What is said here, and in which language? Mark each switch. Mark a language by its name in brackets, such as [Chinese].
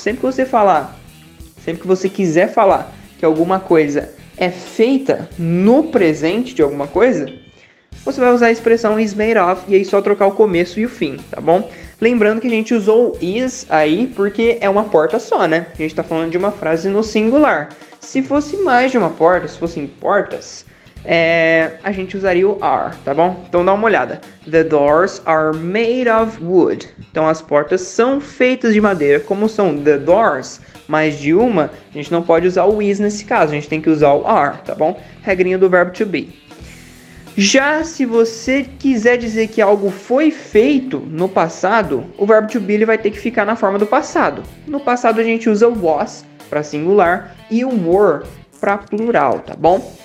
[Portuguese] Sempre que você falar, sempre que você quiser falar que alguma coisa é feita no presente de alguma coisa, você vai usar a expressão is made of e aí só trocar o começo e o fim, tá bom? Lembrando que a gente usou is aí porque é uma porta só, né? A gente tá falando de uma frase no singular. Se fosse mais de uma porta, se fossem portas, a gente usaria o are, tá bom? Então dá uma olhada. [English] The doors are made of wood. [Portuguese] Então as portas são feitas de madeira. Como são the doors, mais de uma, a gente não pode usar o is nesse caso. A gente tem que usar o are, tá bom? Regrinha do verbo to be. Já se você quiser dizer que algo foi feito no passado, o verbo to be vai ter que ficar na forma do passado. No passado a gente usa was para singular e o were para plural, tá bom?